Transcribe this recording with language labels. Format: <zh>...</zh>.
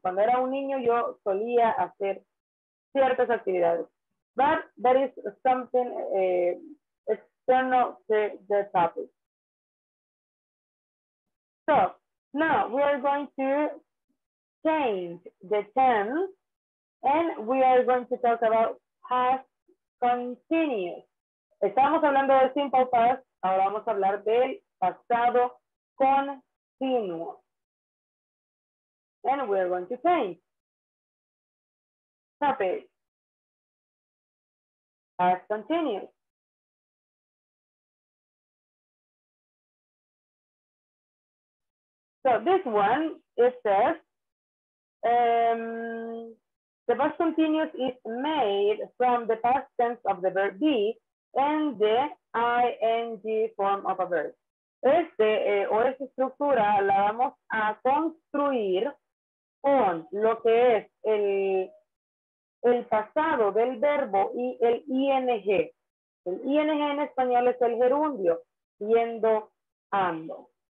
<es>Cuando era un niño, yo solía hacer ciertas actividades.</es> <en>But that is something external to the topic. So, now we are going to change the tense and we are going to talk about past continuous.</en> <es>Estamos hablando del simple past, ahora vamos a hablar del pasado continuo.</es> <en>And we are going to change. Topic. Past continuous. So this one, it says, the past continuous is made from the past tense of the verb be and the ing form of a verb.</en> <es>Este, o esta estructura la vamos a construir con lo que es el pasado del verbo y el ing. El ing en español es el gerundio, siendo ando.</es>